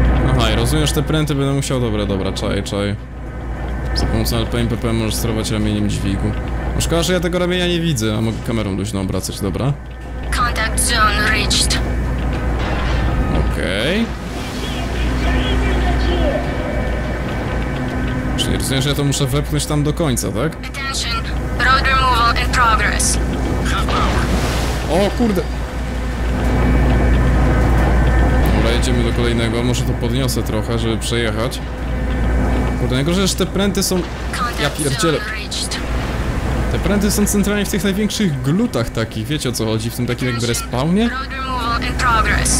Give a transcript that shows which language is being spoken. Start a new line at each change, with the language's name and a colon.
Polish: Aha, i rozumiesz, te pręty będę musiał... dobra, dobra, czaj, czaj. Za pomocą LPMPP możesz sterować ramieniem dźwigu. No szkoda, że ja tego ramienia nie widzę, a mogę kamerą luźno obracać, dobra?
English: Contact zone reached.
Polish: Okej. rozumiem, że ja to muszę wepchnąć tam do końca, tak?
English: Attention. Road removal in progress.
Polish: O kurde! Dobra, jedziemy do kolejnego. Może to podniosę trochę, żeby przejechać. Kurde, najgorzej, że te pręty są... Ja pierdzielę. Te pręty są centralnie w tych największych glutach takich. Wiecie, o co chodzi? W tym takim jakby respawnie? Dobra.